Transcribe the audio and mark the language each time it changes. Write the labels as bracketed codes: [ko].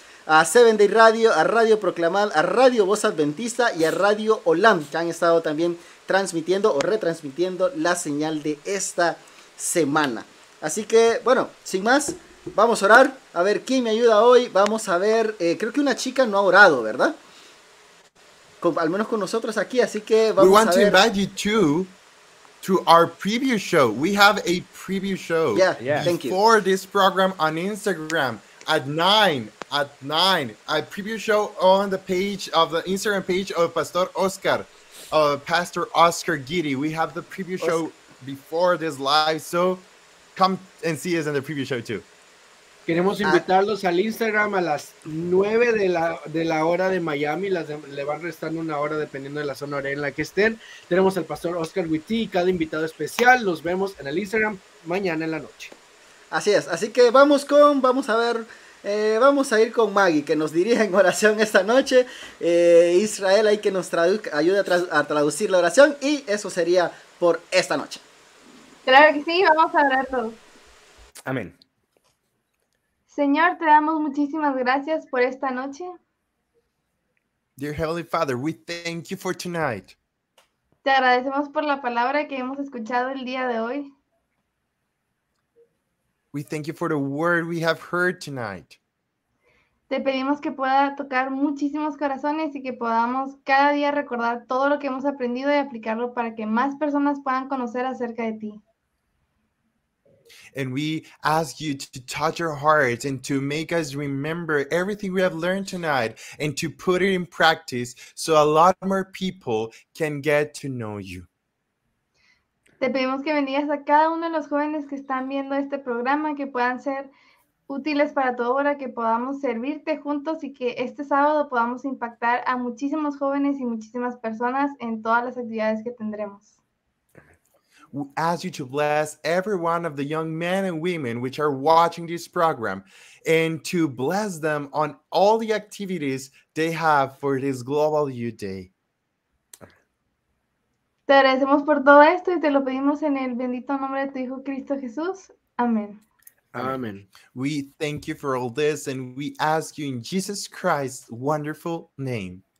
[es] A 7 Day Radio, a Radio Proclamad, a Radio Voz Adventista y a Radio Olam, que han estado también transmitiendo o retransmitiendo la señal de esta semana. Así que, bueno, sin más, vamos a orar. A ver, ¿quién me ayuda hoy? Vamos a ver, creo que una chica no ha orado, ¿verdad? Al menos con nosotros aquí, así que vamos a ver. [en] We want to invite you to our preview show. We have a preview show. Yeah, yeah. Thank you. Before this program on Instagram at 9, at 9. A preview show on the page of the Instagram page of Pastor Oscar. Pastor Oscar Giddy, we have the preview show before this live, so come and see us in the preview show too. [es] Queremos invitarlos al Instagram a las 9 de la hora de Miami. Le van restando una hora dependiendo de la zona horaria en la que estén. Tenemos al Pastor Oscar Witty y cada invitado especial. Los vemos en el Instagram mañana en la noche. Así es, así que vamos a ir con Maggie, que nos dirige en oración esta noche. Israel, ahí que nos ayude a traducir la oración. Y eso sería por esta noche. Claro que sí, vamos a orar todos. Amén. Señor, te damos muchísimas gracias por esta noche. [en] Dear Heavenly Father, we thank you for tonight. [es] Te agradecemos por la palabra que hemos escuchado el día de hoy. [en] We thank you for the word we have heard tonight. [es] Te pedimos que pueda tocar muchísimos corazones y que podamos cada día recordar todo lo que hemos aprendido y aplicarlo para que más personas puedan conocer acerca de ti. [en] And we ask you to touch our hearts and to make us remember everything we have learned tonight and to put it in practice so a lot more people can get to know you. [es] Te pedimos que bendigas a cada uno de los jóvenes que están viendo este programa, que puedan ser útiles para todo, para que podamos servirte juntos y que este sábado podamos impactar a muchísimos jóvenes y muchísimas personas en todas las actividades que tendremos. [en] We ask you to bless every one of the young men and women which are watching this program and to bless them on all the activities they have for this Global Youth Day. [es] Te agradecemos por todo esto y te lo pedimos en el bendito nombre de tu Hijo Cristo Jesús. Amén. [en] Amen. We thank you for all this and we ask you in Jesus Christ's wonderful name.